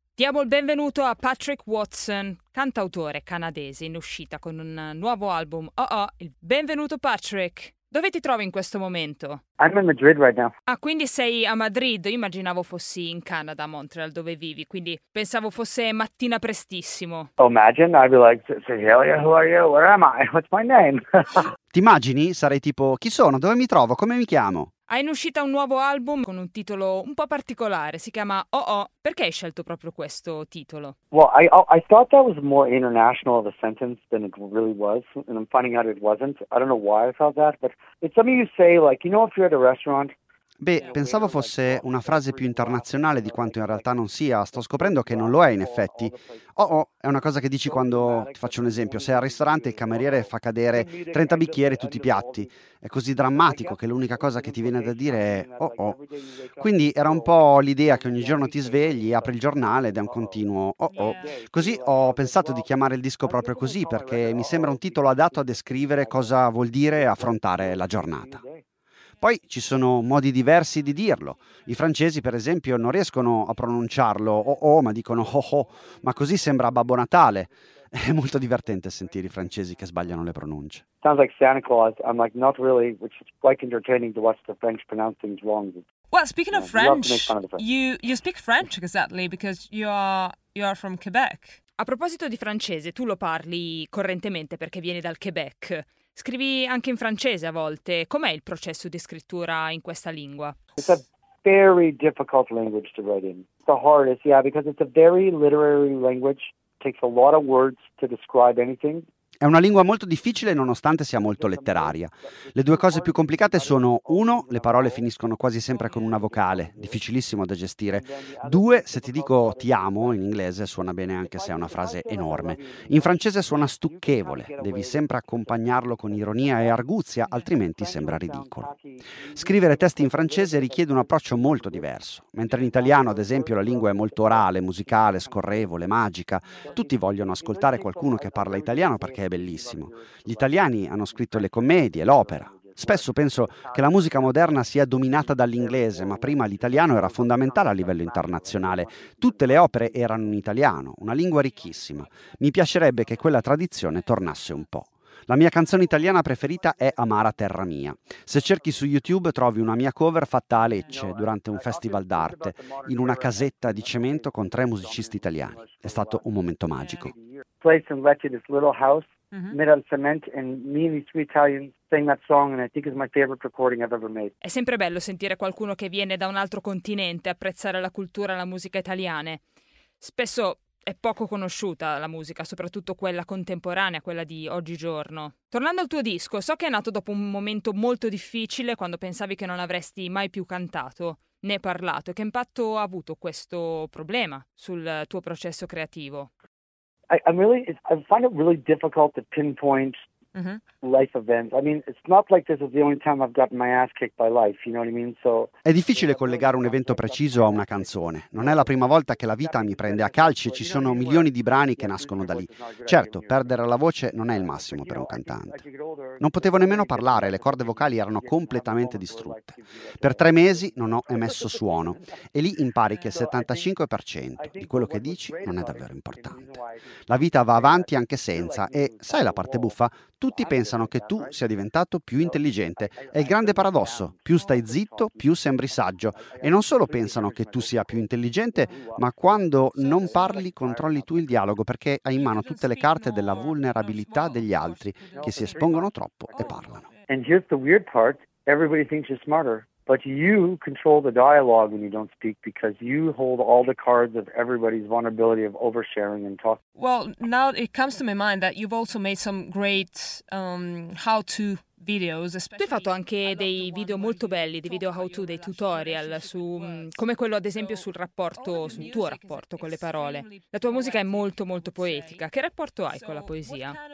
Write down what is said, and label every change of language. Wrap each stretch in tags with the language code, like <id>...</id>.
<it>Diamo il benvenuto a Patrick Watson, cantautore canadese in uscita con un nuovo album. Benvenuto Patrick. Dove ti trovi in questo momento?</it> <en>I'm in Madrid right now.</en> <it>Ah, quindi sei a Madrid? Io immaginavo fossi in Canada, Montreal, dove vivi. Quindi pensavo fosse mattina prestissimo.</it> <en>Oh, imagine, I'd be like, Cecilia, who are you? Where am I? What's my name?</en> <it>Ti immagini? Sarei tipo, chi sono? Dove mi trovo? Come mi chiamo? Hai in uscita un nuovo album con un titolo un po' particolare, si chiama Oh Oh. Perché hai scelto proprio questo titolo?</it> <en>Well, I thought that was more international of a sentence than it really was, and I'm finding out it wasn't. I don't know why I felt that, but it's something you say, like, you know, if you're at a restaurant.</en> <it>Beh, pensavo fosse una frase più internazionale di quanto in realtà non sia. Sto scoprendo che non lo è, in effetti. Oh oh, è una cosa che dici quando, ti faccio un esempio, sei al ristorante e il cameriere fa cadere 30 bicchieri tutti i piatti. È così drammatico che l'unica cosa che ti viene da dire è oh oh. Quindi era un po' l'idea che ogni giorno ti svegli, apri il giornale ed è un continuo oh oh. Così ho pensato di chiamare il disco proprio così, perché mi sembra un titolo adatto a descrivere cosa vuol dire affrontare la giornata. Poi ci sono modi diversi di dirlo. I francesi, per esempio, non riescono a pronunciarlo oh-oh, ma dicono ho-ho, ma così sembra Babbo Natale. È molto divertente sentire i francesi che sbagliano le pronunce.</it> <en>Sounds like Santa Claus. I'm like, not really, which is quite entertaining to watch the French pronounce things wrong. Well, speaking of French, you speak French exactly, because you are from Quebec.</en> <it>A proposito di francese, tu lo parli correntemente perché vieni dal Quebec. Scrivi anche in francese a volte. Com'è il processo di scrittura in questa lingua?</it> <en>It's a very difficult language to write in. It's the hardest, yeah, because it's a very literary language. It takes a lot of words to describe anything.</en> <it>È una lingua molto difficile nonostante sia molto letteraria. Le due cose più complicate sono: uno, le parole finiscono quasi sempre con una vocale, difficilissimo da gestire. Due, se ti dico ti amo in inglese suona bene anche se è una frase enorme. In francese suona stucchevole, devi sempre accompagnarlo con ironia e arguzia, altrimenti sembra ridicolo. Scrivere testi in francese richiede un approccio molto diverso. Mentre in italiano, ad esempio, la lingua è molto orale, musicale, scorrevole, magica, tutti vogliono ascoltare qualcuno che parla italiano perché è bellissimo. Gli italiani hanno scritto le commedie, l'opera. Spesso penso che la musica moderna sia dominata dall'inglese, ma prima l'italiano era fondamentale a livello internazionale. Tutte le opere erano in italiano, una lingua ricchissima. Mi piacerebbe che quella tradizione tornasse un po'. La mia canzone italiana preferita è Amara Terra Mia. Se cerchi su YouTube trovi una mia cover fatta a Lecce durante un festival d'arte, in una casetta di cemento con tre musicisti italiani. È stato un momento magico.</it> <en>Place in Lecce, this little house, mm-hmm. made out of cement, and me and these three Italians sang that song, and I think it's my favorite recording I've ever made.</en> <it>È sempre bello sentire qualcuno che viene da un altro continente apprezzare la cultura e la musica italiane. Spesso è poco conosciuta la musica, soprattutto quella contemporanea, quella di oggigiorno. Tornando al tuo disco, so che è nato dopo un momento molto difficile, quando pensavi che non avresti mai più cantato, né parlato. Che impatto ha avuto questo problema sul tuo processo creativo?</it> <en>I find it really difficult to pinpoint life events. I mean, it's not like this is the only time I've gotten my ass kicked by life, you know what I mean? So</en> <it>è difficile collegare un evento preciso a una canzone. Non è la prima volta che la vita mi prende a calci e ci sono milioni di brani che nascono da lì. Certo, perdere la voce non è il massimo per un cantante. Non potevo nemmeno parlare, le corde vocali erano completamente distrutte. Per 3 mesi non ho emesso suono e lì impari che il 75% di quello che dici non è davvero importante. La vita va avanti anche senza e, sai la parte buffa? Tutti pensano che tu sia diventato più intelligente. È il grande paradosso. Più stai zitto, più sembri saggio. E non solo pensano che tu sia più intelligente, ma quando non parli controlli tu il dialogo perché hai in mano tutte le carte della vulnerabilità degli altri che si espongono troppo e parlano.</it> <en>And here's the weird part. Everybody thinks you're smarter, but you control the dialogue when you don't speak because you hold all the cards of everybody's vulnerability of oversharing and talking. Well, now it comes to my mind that you've also made some great how-to videos.</en> <it>Tu hai fatto anche dei video molto belli, dei video how-to, dei tutorial, su, come quello ad esempio sul rapporto, sul tuo rapporto con le parole. La tua musica è molto, molto poetica. Che rapporto hai con la poesia?</it>